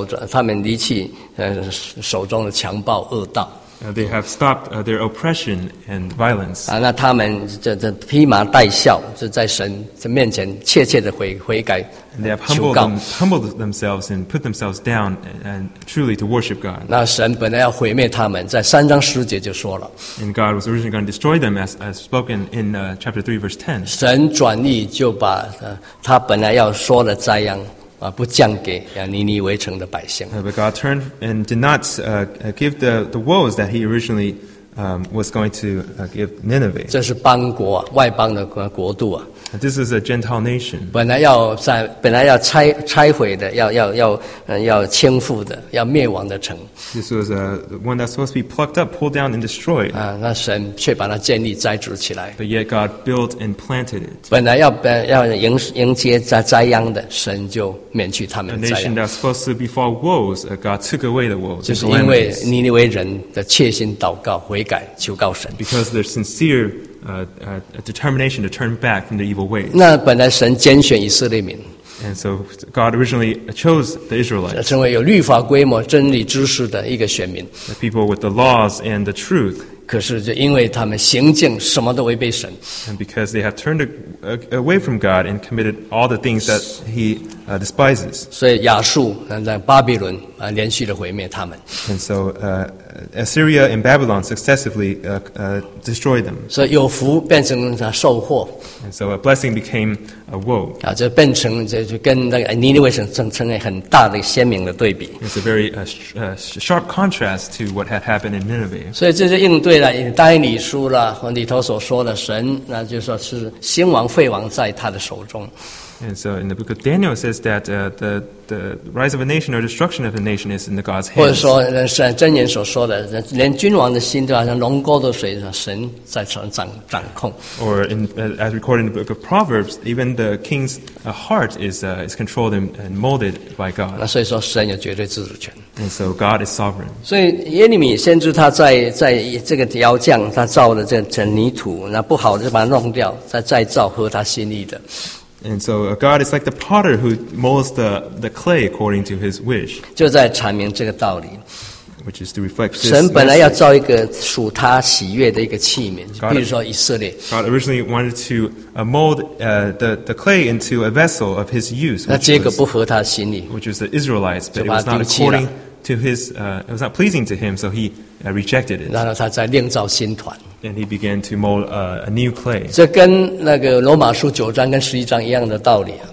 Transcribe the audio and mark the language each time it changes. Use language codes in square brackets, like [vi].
[zh] 他们离弃手中的强暴恶道。 [en] They have stopped their oppression and violence. [zh] 啊，那他们这披麻戴孝，就在神面前切切的悔改求告。 [en] They have humbled themselves and put themselves down and truly to worship God. [zh] 那神本来要毁灭他们，在三章十节就说了。 [en] And God was originally going to destroy them as spoken in chapter 3 verse 10. [zh] 神转意就把他本来要说的灾殃不降给尼尼微城的百姓。 [en] But God turned and did not give the woes that He originally was going to give Nineveh. [zh] 这是邦国，外邦的国度啊。 [en] This is a Gentile nation. [zh] 本来要拆毁的，要倾覆的，要灭亡的城。 [en] This was a one that's supposed to be plucked up, pulled down, and destroyed. [zh] 啊，那神却把它建立、栽植起来。 [en] But yet God built and planted it. [zh] 本来要迎接灾殃的，神就免去他们的灾殃。 [en] A nation that's supposed to befall woes, God took away the woes. [zh] 就是因为尼尼微人的切心祷告、悔改、求告神。 [en] Because they're sincere. A determination to turn back from the evil ways. [zh] 那本来神拣选以色列民。 [en] And so God originally chose the Israelites. [zh] 成为有律法规模、真理知识的一个选民。 [en] The people with the laws and the truth. [zh] 可是就因为他们行径什么都违背神。 [en] And because they have turned away from God and committed all the things that He despises. [zh] 所以亚述在巴比伦连续的毁灭他们。 [en] And so Assyria and Babylon successively destroyed them. So [zh] 有福变成受祸。 [en] And so a blessing became a woe. [zh] 啊，就变成就跟那个尼尼微城成为很大的鲜明的对比。 [en] It's a very sharp contrast to what had happened in Nineveh. [zh] 所以这就应对了但以理书了里头所说的神，那就是说是兴亡废亡在他的手中。 [en] And so in the book of Daniel, it says that the rise of a nation or destruction of a nation is in the God's hands. [zh] 或者说，是箴言所说的，连君王的心都好像龙沟的水，神在掌控。 [en] Or in as recorded in the book of Proverbs, even the king's heart is controlled and molded by God. [zh] 那所以说，神有绝对自主权。 [en] And so God is sovereign. [zh] 所以耶利米先知他在这个窑匠他造的这层泥土，那不好就把它弄掉，再造合他心意的。 [en] And so God is like the potter who molds the clay according to his wish. [zh] 就在阐明这个道理。 [en] Which is to reflect this. [zh] 神本来要造一个属他喜悦的一个器皿，比如说以色列。 [en] God originally wanted to mold the clay into a vessel of his use. [zh] 那结果不合他心意。 [en] Which was the Israelites, but it was not according to his, it was not pleasing to him, so he rejected it. [zh] 然后他再另造新团。 [en] And he began to mold a new clay. [zh] 这跟那个罗马书九章跟十一章一样的道理啊。